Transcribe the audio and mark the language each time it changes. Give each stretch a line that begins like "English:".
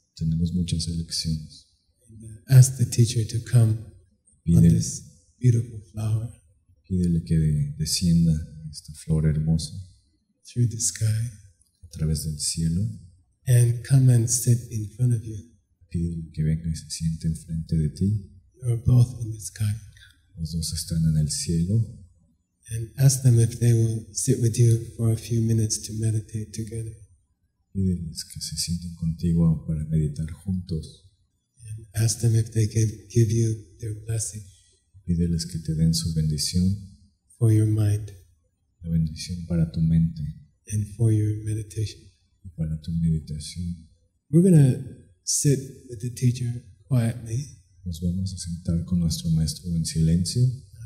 Spanish: Tenemos muchas elecciones.
English: And ask the teacher to come on this beautiful flower.
Spanish: Pídele que descienda esta flor hermosa.
English: Through the sky.
Spanish: A través del cielo.
English: And come and sit in front of you.
Spanish: Pídele que venga y se siente enfrente de ti.
English: You are both in the sky.
Spanish: Los dos están en el cielo.
English: And ask them if they will sit with you for a few minutes to meditate together.
Spanish: Pídeles que se sienten contigo para meditar juntos.
English: And ask them if they can give you their blessing.
Spanish: Pídeles que te den su bendición.
English: For your mind.
Spanish: La bendición para tu mente.
English: And for your meditation.
Spanish: Y para tu meditación.
English: We're going to sit with the teacher quietly.
Spanish: Nos vamos a sentar con nuestro maestro en silencio.